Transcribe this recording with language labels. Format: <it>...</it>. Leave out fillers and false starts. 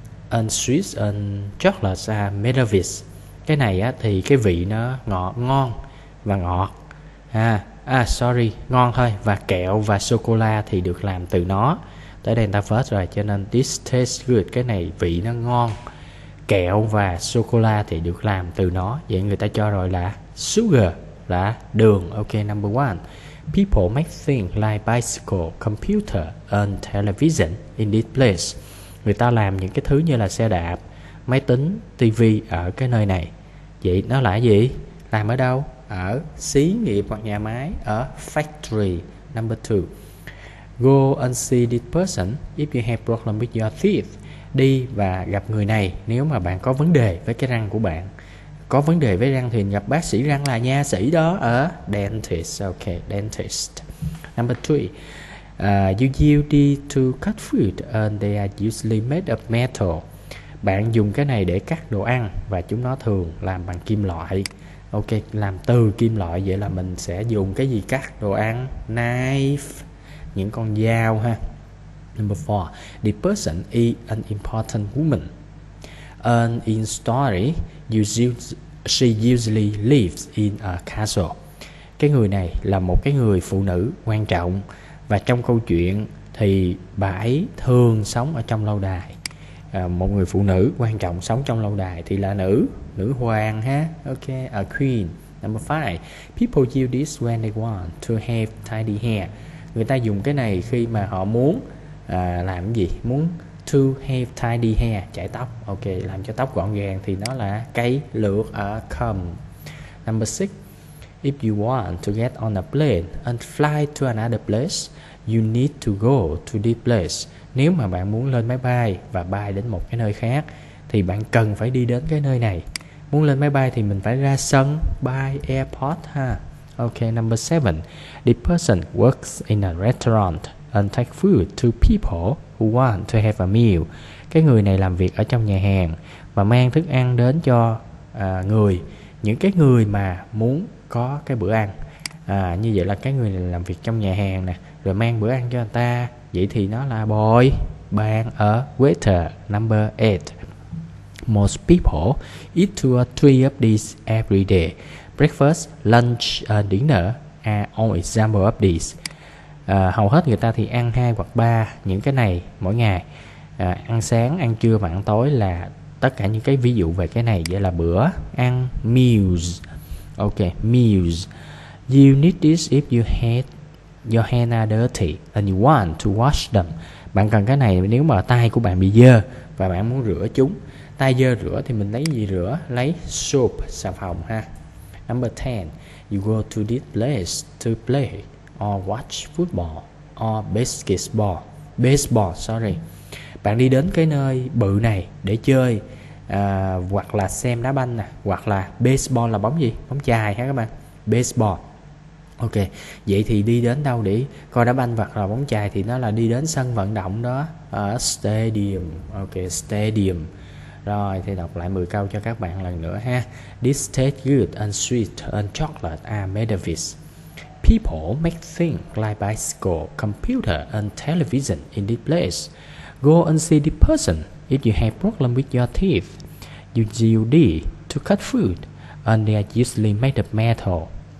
<en>And sweet and chocolate are made of it.</en> <vi>Cái này á, thì cái vị nó ngọt, ngon và ngọt ha. Ngon thôi. Và kẹo và sô-cô-la thì được làm từ nó. Tới đây người ta first rồi, cho nên</vi> <en>this tastes good,</en> <vi>cái này vị nó ngon. Kẹo và sô-cô-la thì được làm từ nó. Vậy người ta cho rồi là sugar, là đường.</vi> <en>Ok, number one. People make things like bicycle, computer and television in this place.</en> <vi>Người ta làm những cái thứ như là xe đạp, máy tính, tivi ở cái nơi này. Vậy nó là gì? Làm ở đâu? Ở xí nghiệp hoặc nhà máy, ở factory.</vi> <en>Number 2. Go and see this person if you have problem with your teeth.</en> <vi>Đi và gặp người này nếu mà bạn có vấn đề với cái răng của bạn. Có vấn đề với răng thì gặp bác sĩ răng là nha sĩ đó, ở dentist.</vi> <en>Ok, dentist. Number 3. You use this to cut food and they are usually made of metal.</en> <vi>Bạn dùng cái này để cắt đồ ăn và chúng nó thường làm bằng kim loại. Ok, làm từ kim loại, vậy là mình sẽ dùng cái gì cắt đồ ăn? Knife, những con dao ha.</vi> <en>Number 4. The person is an important woman. And in story, she usually lives in a castle.</en> <vi>Cái người này là một cái người phụ nữ quan trọng. Và trong câu chuyện thì bà ấy thường sống ở trong lâu đài. Một người phụ nữ quan trọng sống trong lâu đài thì là nữ, nữ hoàng ha.</vi> <en>Ok, a queen. Number 5. People use this when they want to have tidy hair.</en> <vi>Người ta dùng cái này khi mà họ muốn làm cái gì? Muốn</vi> <en>to have tidy hair,</en> <vi>chải tóc. Ok, làm cho tóc gọn gàng thì nó là cây lược, a comb.</vi> <en>Number 6. If you want to get on a plane and fly to another place, you need to go to this place.</en> <vi>Nếu mà bạn muốn lên máy bay và bay đến một cái nơi khác thì bạn cần phải đi đến cái nơi này. Muốn lên máy bay thì mình phải ra sân bay, airport ha.</vi> <en>Ok, number 7. The person works in a restaurant and takes food to people who want to have a meal.</en> <vi>Cái người này làm việc ở trong nhà hàng và mang thức ăn đến cho người, những cái người mà muốn có cái bữa ăn. Như vậy là cái người này làm việc trong nhà hàng nè, rồi mang bữa ăn cho người ta. Vậy thì nó là boy, bạn ở waiter.</vi> <en>Number 8. Most people eat 2 or 3 of these every day. Breakfast, lunch and dinner are all examples of these.</en> <vi>Hầu hết người ta thì ăn 2 hoặc 3 những cái này mỗi ngày. Ăn sáng, ăn trưa và ăn tối là tất cả những cái ví dụ về cái này. Vậy là bữa ăn, meals.</vi> <en>Ok, meals. You need this if you had your hands are dirty and you want to wash them.</en> <vi>Bạn cần cái này nếu mà tay của bạn bị dơ và bạn muốn rửa chúng. Tay dơ rửa thì mình lấy gì rửa? Lấy soap, xà phòng ha.</vi> <en>Number 10. You go to this place to play or watch football Basketball. Baseball, sorry.</en> <vi>Bạn đi đến cái nơi bự này để chơi hoặc là xem đá banh nè, hoặc là baseball là bóng gì? Bóng chày ha các bạn. Baseball. Ok, vậy thì đi đến đâu để coi đá banh hoặc là bóng chày thì nó là đi đến sân vận động đó, stadium. Ok, stadium. Rồi thì đọc lại 10 câu cho các bạn lần nữa ha.</vi> <en>This tastes good and sweet and chocolate are made of this. People make things like bicycle, computer and television in this place. Go and see the person if you have problem with your teeth. You use this to cut food and they are usually made of metal.</en>